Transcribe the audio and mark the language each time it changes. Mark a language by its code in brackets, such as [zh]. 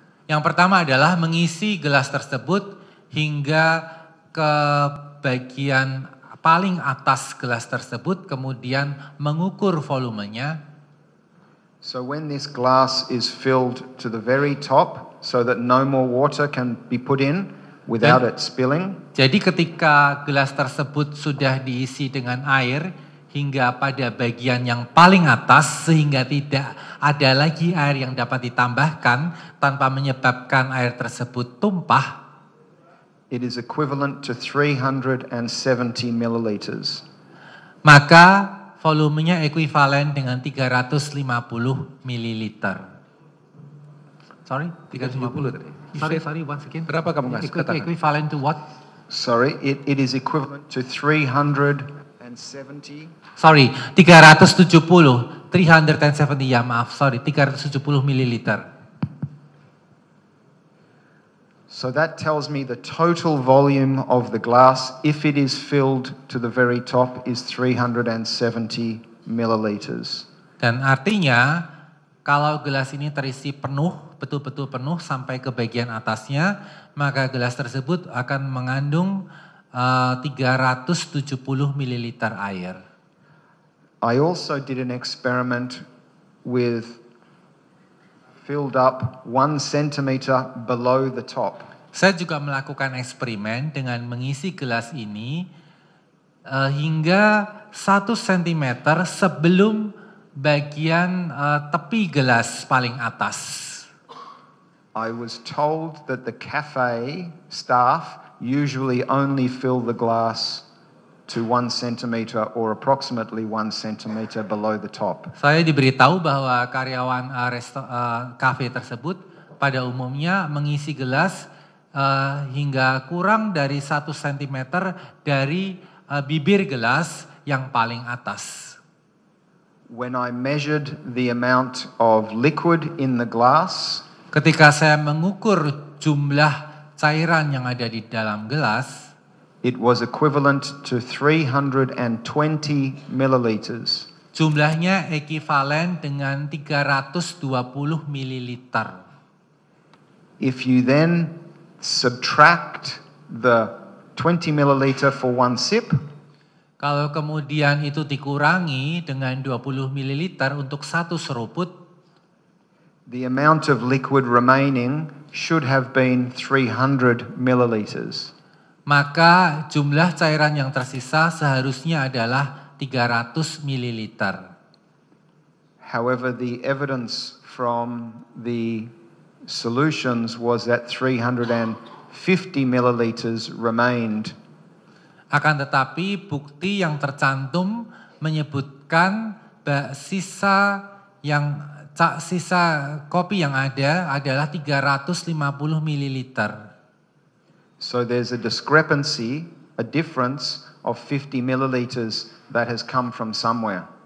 [id] Yang pertama adalah mengisi gelas tersebut hingga ke bagian paling atas gelas tersebut, kemudian mengukur volumenya. [en] So when this glass is filled to the very top, so that no more water can be put in without it spilling. [id] Jadi ketika gelas tersebut sudah diisi dengan air hingga pada bagian yang paling atas sehingga tidak ada lagi air yang dapat ditambahkan tanpa menyebabkan air tersebut tumpah. [en] It is equivalent to 370 milliliters. [id] Maka volumenya ekuivalen dengan 350 milliliter. [en] Sorry, 350. Sorry, once again. [id] Berapa kamu ngasih katakan? [en] Equivalent to what? Sorry, it is equivalent to 370. Sorry, 370. 370, [id] ya maaf, [en] sorry, 370 milliliter. So that tells me the total volume of the glass, if it is filled to the very top, is 370 milliliters. [id] Dan artinya, kalau gelas ini terisi penuh, betul-betul penuh sampai ke bagian atasnya, maka gelas tersebut akan mengandung 370 ml air. [en] I also did an experiment with filled up 1 cm below the top. [id] Saya juga melakukan eksperimen dengan mengisi gelas ini hingga 1 cm sebelum bagian tepi gelas paling atas. [en] I was told that the cafe staff usually only fill the glass to 1 cm or approximately 1 cm below the top. [id] Saya diberitahu bahwa karyawan kafe tersebut pada umumnya mengisi gelas hingga kurang dari 1 cm dari bibir gelas yang paling atas. [en] When I measured the amount of liquid in the glass, [id] ketika saya mengukur jumlah cairan yang ada di dalam gelas, [en] it was equivalent to 320 milliliters. [id] Jumlahnya ekuivalen dengan 320 milliliter. [en] If you then subtract the 20 milliliter for one sip, [id] kalau kemudian itu dikurangi dengan 20 ml untuk satu seruput, [en] the amount of liquid remaining should have been 300 milliliters. [id] Maka jumlah cairan yang tersisa seharusnya adalah 300 ml. [en] However, the evidence from the solutions was that 350 milliliters remained. [id] Akan tetapi bukti yang tercantum menyebutkan sisa yang sisa kopi yang ada adalah 350 ml. [en] So there's a discrepancy, a difference of 50 milliliters that has come from somewhere.